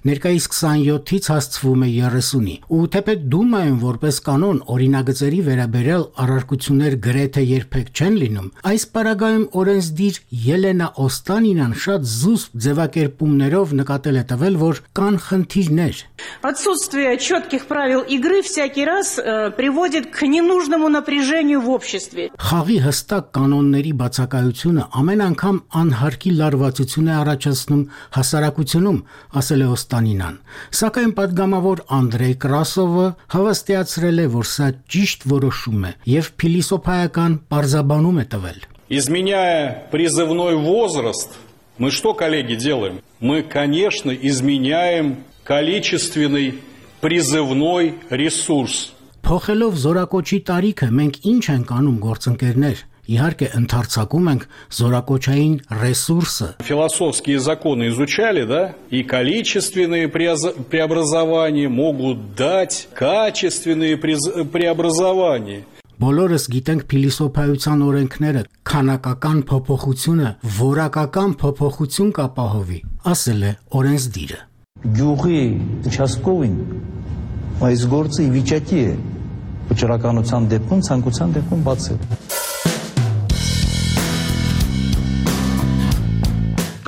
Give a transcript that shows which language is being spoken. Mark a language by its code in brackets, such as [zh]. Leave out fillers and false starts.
[hy] ներկայիս 27-ից հասցվում է 30-ի։ Ու թեպետ Դումայում որպես կանոն օրինագծերի վերաբերյալ առարկություններ գրեթե երբեք չեն լինում, այս պարագայում օրենսդիր Ելենա Օստանինան շատ զուսպ ձևակերպումներով նկատել է տվել, որ կան խնդիրներ։ [ru] Отсутствие четких правил игры всякий раз приводит к ненужному напряжению в обществе. [hy] Խաղի հստակ կանոնների բացակայությունը ամեն անգամ անհարկի լարվածություն է առաջացնում հասարակությունում, ասել է Օստանինան։ Սակայն պատգամավոր Անդրեյ Կրասովը հավաստիացրել է, որ սա ճիշտ որոշում է և փիլիսոփայական պարզաբանում է տվել։ [ru] Изменяя призывной возраст, мы что, коллеги, делаем? Мы, конечно, изменяем количественный призывной ресурс. [hy] Փոխելով զորակոչի տարիքը, մենք ինչ ենք անում, գործընկերներ։ Իհարկե, ընդարձակում ենք զորակոչային ռեսուրսը։ [ru] Философские законы изучали, да? И количественные преобразования могут дать качественные преобразования. [hy] Բոլորս գիտենք փիլիսոփայության օրենքները, քանակական փոփոխությունը որակական փոփոխություն կապահովի, ասել է օրենսդիրը։ Գյուղի ճաշկովին այս գործը ի վիճակի է վճռականության դեպքում, ցանկության դեպքում բացել։